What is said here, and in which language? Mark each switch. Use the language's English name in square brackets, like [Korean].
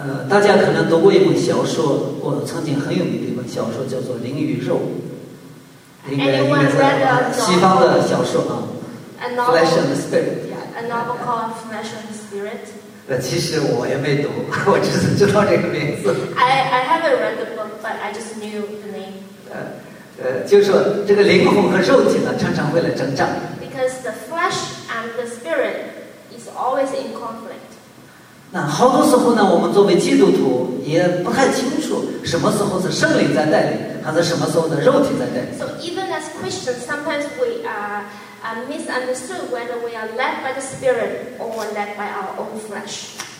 [Chinese] 大家可能读过一本小说，我曾经很有名的一本小说叫做《灵与肉》，应该在西方的小说啊。 [English] A novel, flesh and the spirit. Yeah, a novel called Flesh and the Spirit. [Chinese] 其实我也没读，我只是知道这个名字。 [English] I haven't read the book, but I just knew the name. [Chinese] 就是说这个灵魂和肉体呢，常常为了争战。 [English] Because the flesh and the spirit is always in conflict. [Chinese] 那好多时候呢，我们作为基督徒也不太清楚什么时候是圣灵在带领，还是什么时候的肉体在带领。 [English] So even as Christians, sometimes we are misunderstood whether we are led by the spirit or led by our own flesh.